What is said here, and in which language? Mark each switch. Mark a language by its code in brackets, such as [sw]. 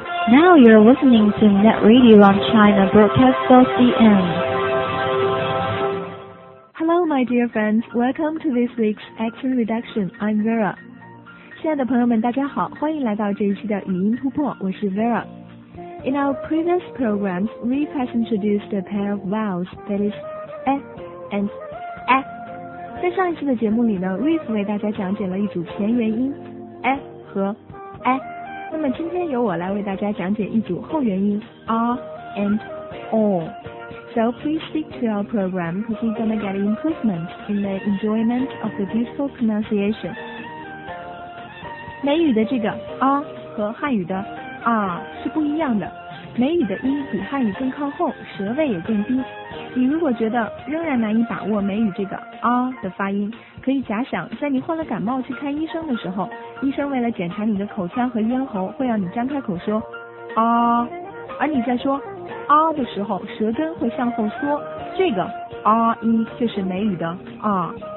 [en] Now you're listening to Net Radio on China Broadcast CN. Hello, my dear friends. Welcome to this week's Action Reduction. I'm Vera. [zh] 亲爱的朋友们，大家好，欢迎来到这一期的语音突破，我是 Vera. [en] In our previous programs, we have introduced a pair of vowels that is a and a. [zh] 在上一期的节目里呢 ，Reese 为大家讲解了一组前元音 a 和 a。那么今天由我来为大家讲解一组后元音 r and o. [en] So please stick to our program because you're gonna get improvement in the enjoyment of the beautiful pronunciation. [zh] 美语的这个 r 和汉语的 r 是不一样的。美语的音比汉语更靠后，舌位也更低。你如果觉得仍然难以把握美语这个 r 的发音，可以假想在你患了感冒去看医生的时候，医生为了检查你的口腔和咽喉，会让你张开口说 r， 而你在说 r 的时候，舌根会向后缩，这个 r 音就是美语的 r。